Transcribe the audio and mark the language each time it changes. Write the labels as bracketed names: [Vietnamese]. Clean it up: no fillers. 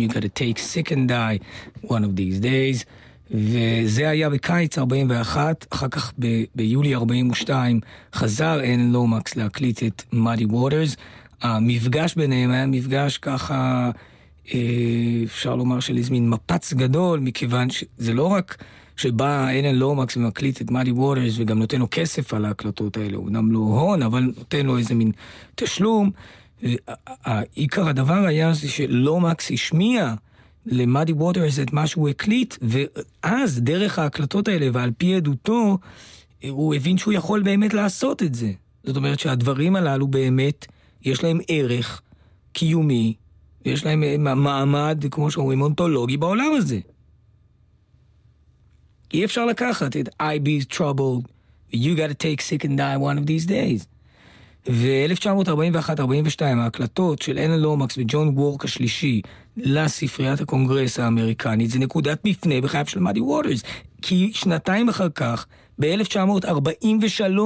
[English] You got to take sick and die one of these days. [Hebrew] וזה היה בקיץ 41, אחר כך ביולי 42 חזר אלן לומקס להקליט את מאדי ווטרס. המפגש ביניהם היה מפגש ככה, אפשר לומר של איזה מין מפץ גדול, מכיוון שזה לא רק שבא אלן לומקס ומקליט את מאדי ווטרס וגם נותן לו כסף על ההקלטות האלה, הוא גם לא הון, אבל נותן לו איזה מין תשלום. עיקר הדבר היה זה שלומקס השמיע למאדי ווטרס את מה שהוא הקליט, ואז דרך ההקלטות האלה ועל פי עדותו הוא הבין שהוא יכול באמת לעשות את זה. זאת אומרת שהדברים הללו באמת יש להם ערך קיומי, יש להם מעמד, כמו שאומרים, אונתולוגי בעולם הזה. אי אפשר לקחת את [English] I be troubled, you gotta take sick and die one of these days. [Hebrew] ו-1941-42 ההקלטות של אלן לומקס וג'ון וורק השלישי לספריית הקונגרס האמריקנית, זה נקודת מפנה בחייו של מאדי ווטרס, כי שנתיים אחר כך, ב-1943,